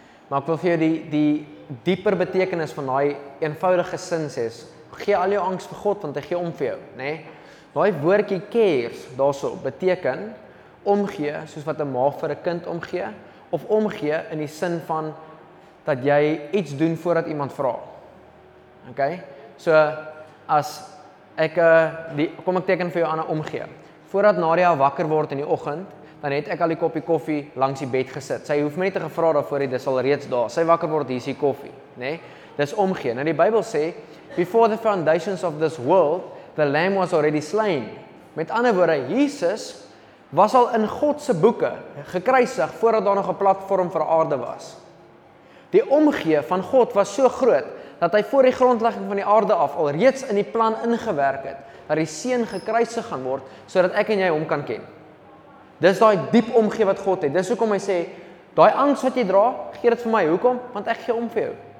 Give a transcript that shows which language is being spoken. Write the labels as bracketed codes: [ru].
[af] Maar ek wil vir jou die dieper betekenis van die eenvoudige sin sê, gee al jou angst vir God, want hy gee om vir jou, nê? Die woordjie cares, daarso, beteken, omgee, soos wat 'n ma vir 'n kind omgee, of omgee in die sin van, dat jy iets doen voordat iemand vra. Ok? So, as ek, kom ek teken vir jou aan een omgee. Voordat Nadia wakker word in die ochend, dan het ek al die koppie koffie langs die bed gesit. Sy hoef my nie te gevra daarvoor, dit is al reeds daar. Sy wakker word, hier is die koffie. Nee? Dis omgee. Nou die Bybel sê, [en] before the foundations of this world, the lamb was already slain. [af] Met ander woorde, Jesus was al in Godse boeke gekruisig, voordat daar nog een platform vir aarde was. Die omgee van God was so groot, dat hy voor die grondlegging van die aarde af al reeds in die plan ingewerk het, dat die seun gekruisig gaan word, sodat ek en jy hom kan ken. Dis daai diep omgee wat God het. Dis hoekom hy sê, daai angs wat jy dra, gee dit vir my. Hoekom? Want ek gee om vir jou.